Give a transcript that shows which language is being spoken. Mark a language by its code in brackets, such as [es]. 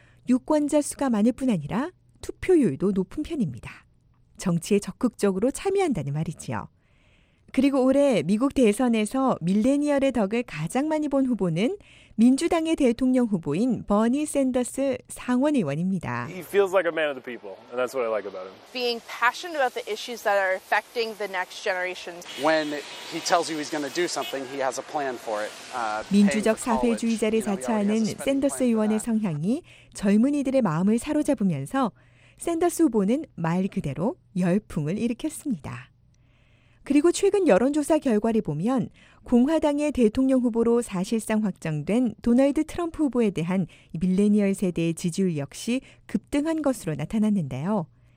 [ko] 유권자 수가 많을 뿐 아니라 투표율도 높은 편입니다. 정치에 적극적으로 참여한다는 말이지요. 그리고 올해 미국 대선에서 밀레니얼의 덕을 가장 많이 본 후보는 민주당의 대통령 후보인 버니 샌더스 상원 의원입니다. [en] He feels like a man of the people, and that's what I like about him. Being passionate about the issues that are affecting the next generation. When he tells you he's going to do something, he has a plan for it. [ko] 민주적 사회주의자를 자처하는 샌더스 의원의 성향이 젊은이들의 마음을 사로잡으면서 샌더스 후보는 말 그대로 열풍을 일으켰습니다. 그리고 최근 여론조사 결과를 보면 공화당의 대통령 후보로 사실상 확정된 도널드 트럼프 후보에 대한 밀레니얼 세대의 지지율 역시 급등한 것으로 나타났는데요.